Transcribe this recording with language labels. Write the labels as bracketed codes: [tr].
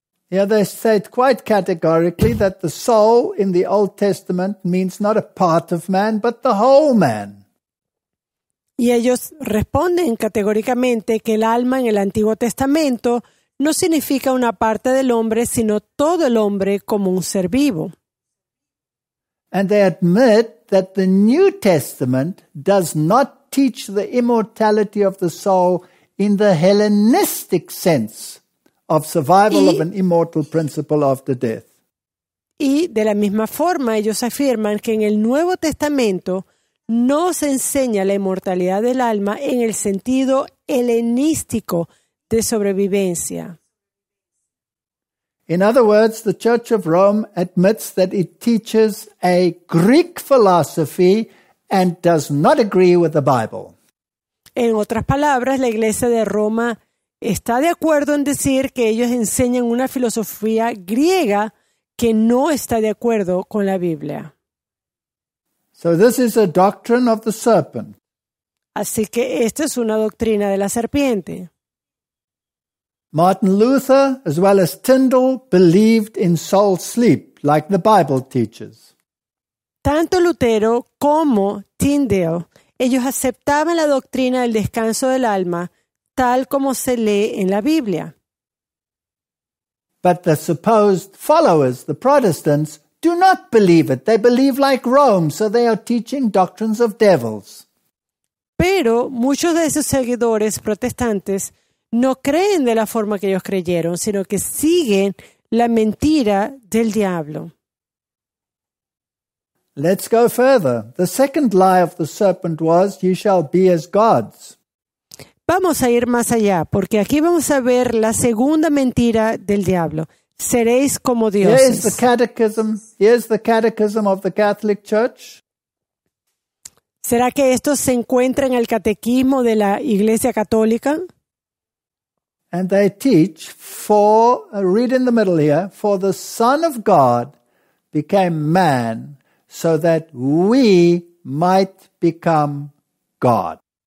[en] Yeah, they said quite categorically that the soul in the Old Testament means not a part of man, but the whole man. [es] Y ellos responden categóricamente que el alma en el Antiguo Testamento no significa una parte del hombre, sino todo el hombre como un ser vivo. [en] And they admit that the New Testament does not teach the immortality of the soul in the Hellenistic sense. Of survival of an immortal principle after death. [es] Y de la misma forma ellos afirman que en el Nuevo Testamento no se enseña la inmortalidad del alma en el sentido helenístico de sobrevivencia. [en] In other words, the Church of Rome admits that it teaches a Greek philosophy and does not agree with the Bible. [es] En otras palabras, la Iglesia de Roma está de acuerdo en decir que ellos enseñan una filosofía griega que no está de acuerdo con la Biblia. [en] So this is a doctrine of the serpent. [es] Así que esta es una doctrina de la serpiente. [en] Martin Luther, as well as Tyndall, believed in soul sleep, like the Bible teaches. [es] Tanto Lutero como Tyndall, ellos aceptaban la doctrina del descanso del alma, tal como se lee en la Biblia. [en] But the supposed followers, the Protestants, do not believe it. They believe like Rome, so they are teaching doctrines of devils. [es] Pero muchos de esos seguidores protestantes no creen de la forma que ellos creyeron, sino que siguen la mentira del diablo. [en] Let's go further. The second lie of the serpent was, "You shall be as gods." [es] Vamos a ir más allá, porque aquí vamos a ver la segunda mentira del diablo. Seréis como dioses. [en] Here is the catechism. Here is the catechism of the Catholic Church. [es] ¿Será que esto se encuentra en el catequismo de la Iglesia Católica? [en] And they teach, read in the middle here, for the Son of God became man so that we might become God.